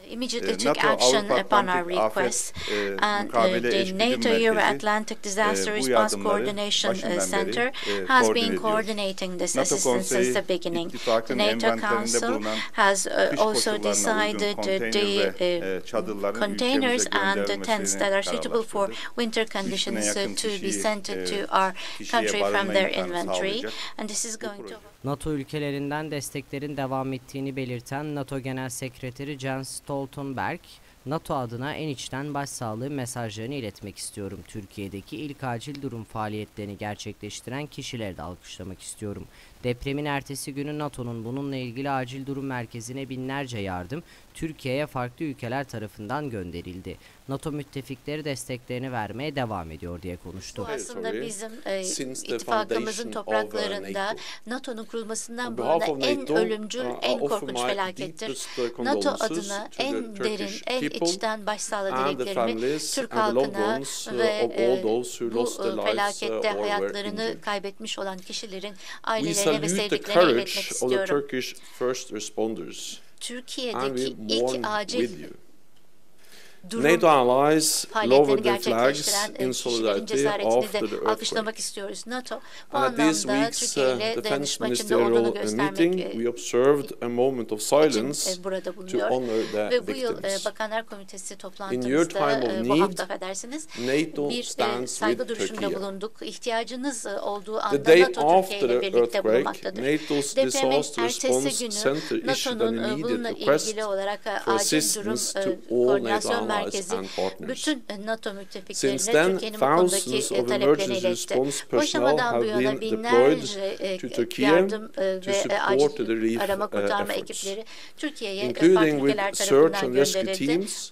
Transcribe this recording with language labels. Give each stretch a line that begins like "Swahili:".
English: Immediately took action upon our request and the NATO Euro Atlantic Disaster Response Coordination Center has been coordinating this assistance since the beginning. The NATO Council has also decided the containers and the tents that are suitable for winter conditions to be sent to our country from their inventory. And this is going to...
Turkish: NATO ülkelerinden desteklerin devam ettiğini belirten NATO Genel Sekreteri Jens Stoltenberg, NATO adına en içten başsağlığı mesajlarını iletmek istiyorum. Türkiye'deki ilk acil durum faaliyetlerini gerçekleştiren kişileri de alkışlamak istiyorum. Depremin ertesi günü NATO'nun bununla ilgili acil durum merkezine binlerce yardım Türkiye'ye farklı ülkeler tarafından gönderildi. NATO müttefikleri desteklerini vermeye devam ediyor diye konuştu. Bu aslında bizim ittifakımızın topraklarında NATO'nun kurulmasından bu arada en ölümcül, en korkunç felakettir. NATO adına en derin, en içten başsağlığı dileklerimi Türk halkına ve bu felakette hayatlarını kaybetmiş olan kişilerin ailelerine ve sevdiklerine iletmek istiyorum. Türkiye'deki ilk acil durum
English: NATO allies lowered their flags in solidarity after the earthquake. NATO, this week's defense ministerial meeting, we observed a moment of silence to honor the victims. In your time of need, NATO stands with Turkey. The day after the earthquake, NATO's disaster response center issued an immediate request for assistance to all NATO allies.
Turkish: Bütün NATO müttefiklerine Türkiye'nin bu konudaki talepleri iletti. Bu aşamadan bu yana binlerce yardım ve acil arama kurtarma ekipleri Türkiye'ye farklı ülkeler tarafından gönderildi.